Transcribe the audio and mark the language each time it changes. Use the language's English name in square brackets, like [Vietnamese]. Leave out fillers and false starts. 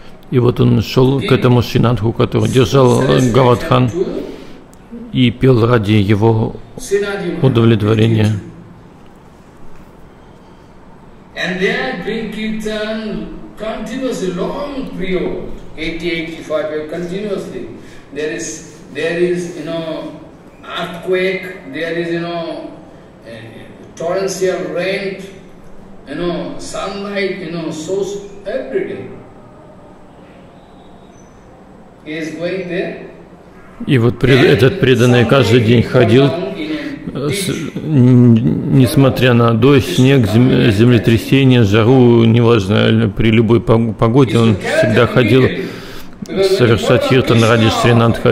[Russian] И вот он шел к этому Шринатху, который держал Говардхан, и пел ради его удовлетворения. [English] And there bring kirtan continuously, long period, 80-85 years continuously. There is you know earthquake, there is you know torrential rain, you know, sunlight, you know, source every day. He is going there. [Russian] И вот этот преданный каждый день ходил, несмотря на дождь, снег, землетрясение, жару, неважно, при любой погоде, он всегда ходил совершать киртан ради Шринатха.